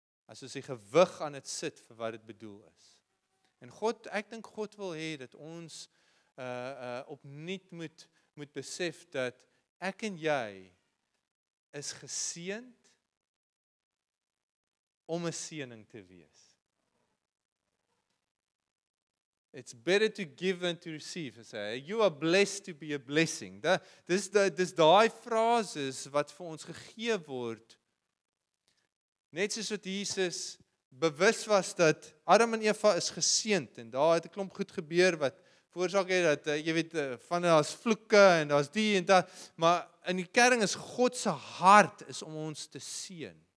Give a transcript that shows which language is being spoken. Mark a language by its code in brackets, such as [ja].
[af] As ons die gewig aan dit sit vir wat dit bedoel is. En God, ek dink God wil hê dat ons opnuut moet besef dat ek en jy is geseënd om 'n seëning te wees. [en] It's better to give than to receive. I say, you are blessed to be a blessing. [af] Dis daai frases wat vir ons gegee word. Net soos wat Jesus bewus was dat Adam en Eva is geseënd en daar het 'n klomp goed gebeur wat veroorsaak het dat jy weet van daar's vloeke en daar's die en da maar in die kerring is God se hart is om ons te seën.